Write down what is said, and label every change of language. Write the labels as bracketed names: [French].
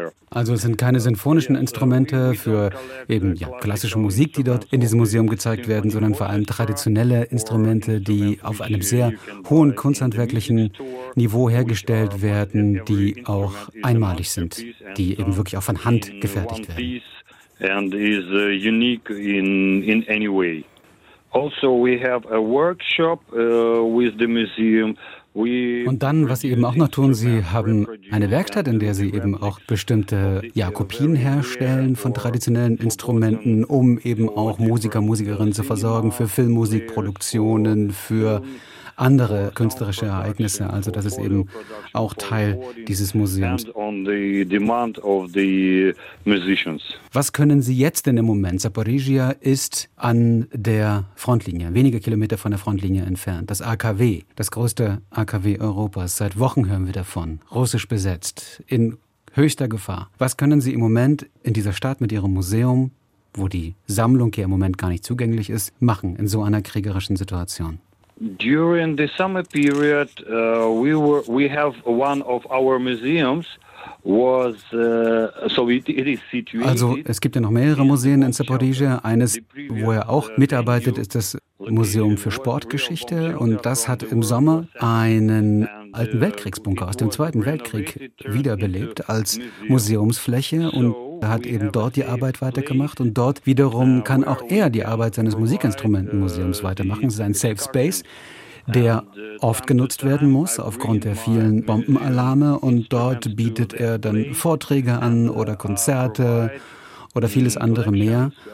[German] Also es sind keine sinfonischen Instrumente für eben ja, klassische Musik, die dort in diesem Museum gezeigt werden, sondern vor allem traditionelle Instrumente, die auf einem sehr hohen kunsthandwerklichen Niveau hergestellt werden, die auch einmalig sind, die eben wirklich auch von Hand gefertigt werden. [English] And is unique in any way. Also we have a workshop with the museum. [German] Und dann, was sie eben auch noch tun, sie haben eine Werkstatt, in der sie eben auch bestimmte ja, Kopien herstellen von traditionellen Instrumenten, um eben auch Musiker, Musikerinnen zu versorgen für Filmmusikproduktionen, für andere künstlerische Ereignisse. Also das ist eben auch Teil dieses Museums. Was können Sie jetzt denn im Moment? Zaporizhia ist an der Frontlinie, wenige Kilometer von der Frontlinie entfernt. Das AKW, das größte AKW Europas. Seit Wochen hören wir davon. Russisch besetzt, in höchster Gefahr. Was können Sie im Moment in dieser Stadt mit Ihrem Museum, wo die Sammlung hier im Moment gar nicht zugänglich ist, machen in so einer kriegerischen Situation? [English] During the summer period, we have one of our museums was so it is situated. [German] Also es gibt ja noch mehrere Museen in Zaporizhia. Eines, wo er auch mitarbeitet, ist das Museum für Sportgeschichte, und das hat im Sommer einen alten Weltkriegsbunker aus dem Zweiten Weltkrieg wiederbelebt als Museumsfläche, und er hat eben dort die Arbeit weitergemacht, und dort wiederum kann auch er die Arbeit seines Musikinstrumentenmuseums weitermachen. Es ist ein Safe Space, der oft genutzt werden muss aufgrund der vielen Bombenalarme, und dort bietet er dann Vorträge an oder Konzerte oder vieles andere mehr.